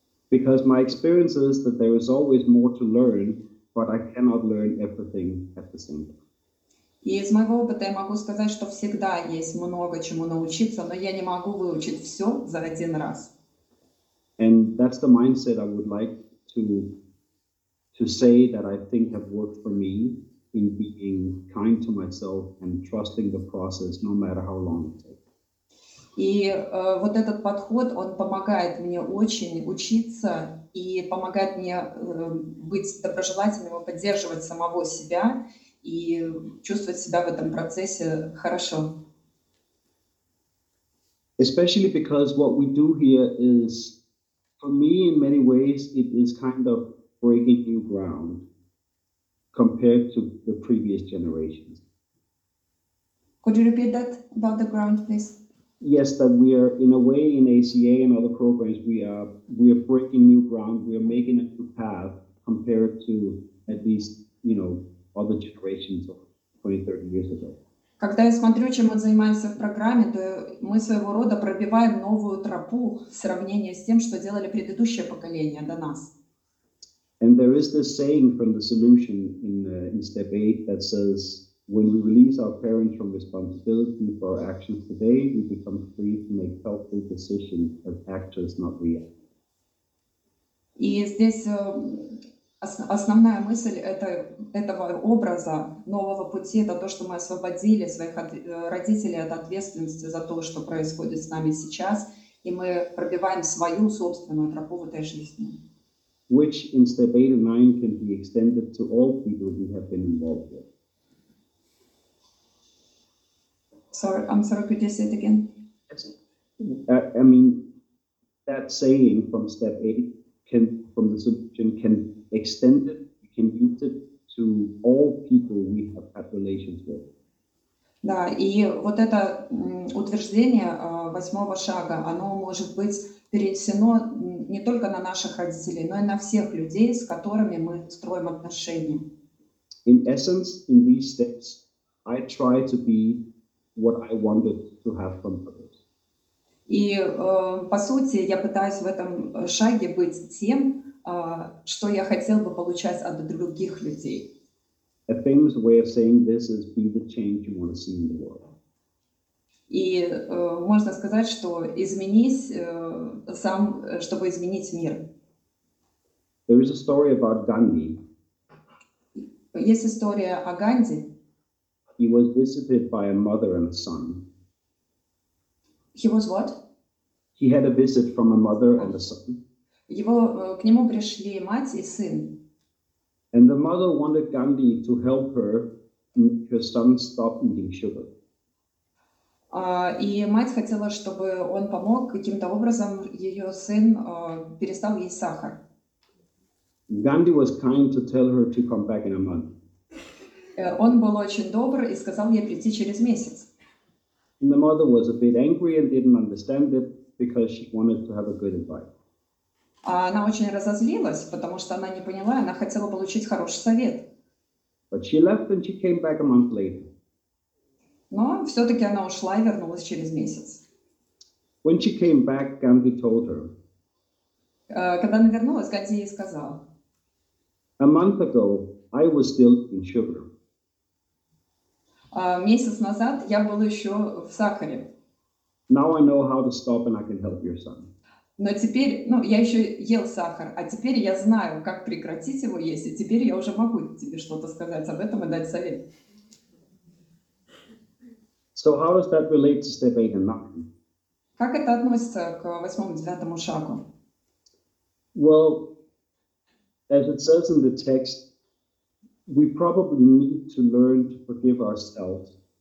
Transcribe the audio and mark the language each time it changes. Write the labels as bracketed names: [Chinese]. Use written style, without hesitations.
[English] Because my experience is that there is always more to learn, but I cannot learn everything at the same time. [Russian] И из моего опыта я могу сказать, что всегда есть много чему научиться, но я не могу выучить все за один раз. [English] And that's the mindset I would like to say that I think have worked for me in being kind to myself and trusting the process, no matter how long it takes. [Russian] И вот этот подход, он помогает мне очень учиться и помогает мне быть доброжелательным и поддерживать самого себя и чувствовать себя в этом процессе хорошо. [English] Especially because what we do here is for me, in many ways, it is kind of breaking new ground compared to the previous generations. Could you repeat that about the ground, please? Yes, that we are, in a way, in ACA and other programs, we are breaking new ground. We are making a new path compared to at least, you know, other generations of 20, 30 years ago. [Russian] Когда я смотрю, чем мы занимаемся в программе, то мы своего рода пробиваем новую тропу в сравнении с тем, что делали предыдущее поколение до нас. [English] And there is this saying from the solution in step 8 that says, when we release our parents from responsibility for our actions today, we become free to make healthy decisions as actors, not reactors. [Russian] И здесь основная мысль этого образа, нового пути, это то, что мы освободили своих родителей от ответственности за то, что происходит с нами сейчас, и мы пробиваем свою собственную тропу в этой жизни. [English] Which in step 8 and 9 can be extended to all people who have been involved with. I'm sorry, could you say it again? I mean, that saying from step 8 can, from the solution, can extended, we can use it to all people we have had relations with. [Russian] Да, и вот это утверждение восьмого шага, оно может быть перенесено не только на наших родителей, но и на всех людей, с которыми мы строим отношения. [English] In essence, in these steps, I try to be what I wanted to have from others. [Russian] И по сути, я пытаюсь в этом шаге быть тем, что я хотел бы получать от других людей. [English] A famous way of saying this is be the change you want to see in the world. [Russian] И можно сказать, что изменись сам, чтобы изменить мир. [English] There is a story about Gandhi. [Russian] Есть история о Ганди. [English] He was visited by a mother and a son. He was what? He had a visit from a mother and a son. [Russian] Его к нему пришли мать и сын. [English] And the mother wanted Gandhi to help her son stop eating sugar. [Russian] И мать хотела, чтобы он помог каким-то образом ее сын перестал есть сахар. [English] Gandhi was kind to tell her to come back in a month. [Russian] Он был очень добр и сказал ей прийти через месяц. [English] And the mother was a bit angry and didn't understand it because she wanted to have a good advice. [Russian] А она очень разозлилась, потому что она не поняла, она хотела получить хороший совет. [English] But she left and she came back a month later. [Russian] Но все-таки она ушла и вернулась через месяц. [English] When she came back, Gandhi told her. [Russian] Когда она вернулась, Ганди ей сказал. [English] A month ago, I was still in sugar. [Russian] Месяц назад я был еще в сахаре. [English] Now I know how to stop and I can help your son. [Russian] Но теперь, ну, я еще ел сахар, а теперь я знаю, как прекратить его есть, и теперь я уже могу тебе что-то сказать об этом и дать совет. [English] So how does that relate to step 8 and 9? [Russian] Как это относится к восьмому, девятому шагу? [English] Well, as it says in the text, we probably need to learn to forgive ourselves.